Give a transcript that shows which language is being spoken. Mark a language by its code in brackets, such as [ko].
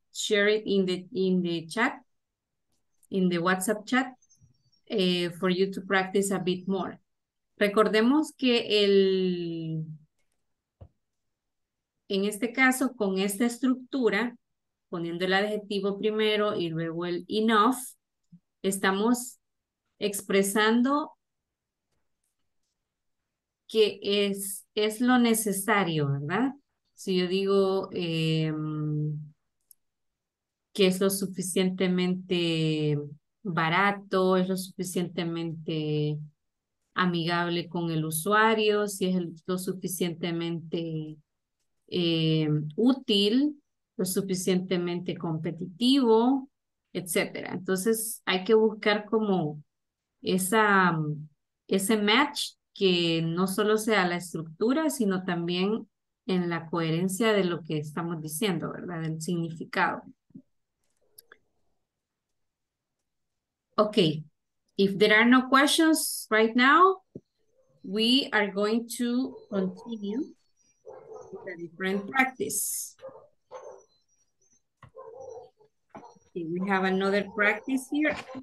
[en] Share it in the chat, in the WhatsApp chat, for you to practice a bit more. [es] Recordemos que en este caso, con esta estructura, poniendo el adjetivo primero y luego el enough, estamos expresando que es lo necesario, ¿verdad? Si yo digo que es lo suficientemente barato, es lo suficientemente amigable con el usuario, si es lo suficientemente útil, lo suficientemente competitivo, etc. Entonces hay que buscar como ese match que no solo sea la estructura, sino también en la coherencia de lo que estamos diciendo, ¿verdad? Del significado. [en] Ok, if there are no questions right now, we are going to continue with a different practice. Okay, we have another practice here.